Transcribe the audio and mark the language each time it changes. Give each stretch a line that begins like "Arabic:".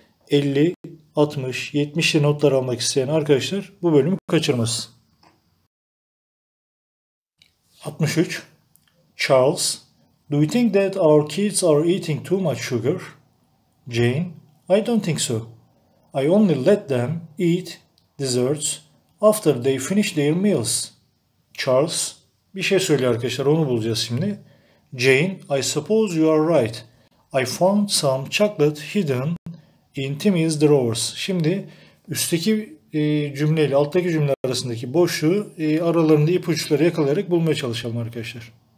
Turkish: 50, 60, 70 ile notlar almak isteyen arkadaşlar bu bölümü kaçırmaz. 63.
English: Charles, do you think that our kids are eating too much sugar? Jane, I don't think so. I only let them eat desserts after they finish their meals.
Turkish: Charles, bir şey söylüyor arkadaşlar, onu bulacağız şimdi. Jane,
English: I suppose you are right. I found some chocolate hidden in Timmy's drawers.
Turkish: Şimdi üstteki cümleyle alttaki cümle arasındaki boşluğu aralarında ipuçları yakalayarak bulmaya çalışalım arkadaşlar.